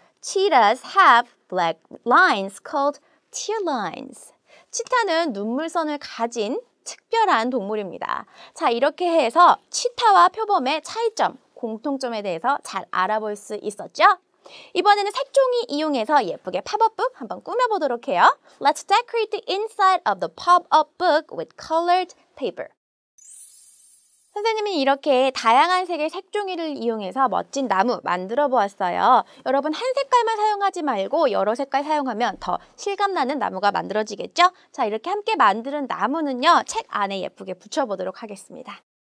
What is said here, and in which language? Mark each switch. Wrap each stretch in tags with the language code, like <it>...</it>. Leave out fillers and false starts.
<en>Cheetahs have black lines called tear lines.</en> <ko>치타는 눈물선을 가진 특별한 동물입니다. 자, 이렇게 해서 치타와 표범의 차이점, 공통점에 대해서 잘 알아볼 수 있었죠? 이번에는 색종이 이용해서 예쁘게 팝업북 한번 꾸며보도록 해요.</ko> <en>Let's decorate the inside of the pop-up book with colored paper.</en> <ko>선생님은 이렇게 다양한 색의 색종이를 이용해서 멋진 나무 만들어 보았어요. 여러분, 한 색깔만 사용하지 말고 여러 색깔 사용하면 더 실감나는 나무가 만들어지겠죠? 자, 이렇게 함께 만드는 나무는요, 책 안에 예쁘게 붙여보도록 하겠습니다.</ko>